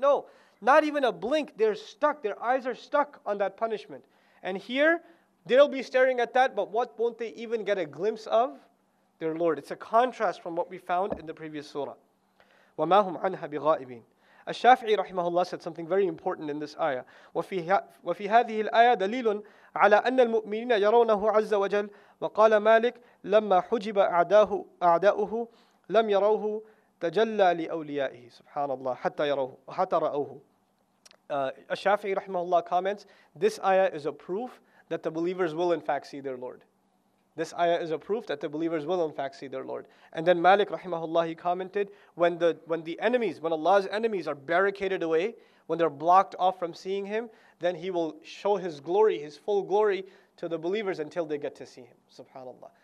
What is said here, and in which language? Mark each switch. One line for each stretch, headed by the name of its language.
English: No, not even a blink. They're stuck. Their eyes are stuck on that punishment. And here, they'll be staring at that, but what won't they even get a glimpse of? Their Lord. It's a contrast from what we found in the previous surah.
Arabic: وَمَا هُمْ عَنْهَا بِغَائِبِينَ.
English: الشافعي رحمه الله said something very important in this ayah.
Arabic: وفي هذه الآية دليل على أن المؤمنين يرونه عز وجل. وقال مالك لما حجب أعداؤه لم يروه تجلى لأوليائه سبحان الله حتى يروه حتى رأوه.
English: الشافعي رحمه الله comments, this ayah is a proof that the believers will in fact see their Lord. This ayah is a proof that the believers will in fact see their Lord. And then Malik rahimahullah, he commented, when Allah's enemies are barricaded away, when they're blocked off from seeing Him, then He will show His glory, His full glory to the believers until they get to see Him. SubhanAllah.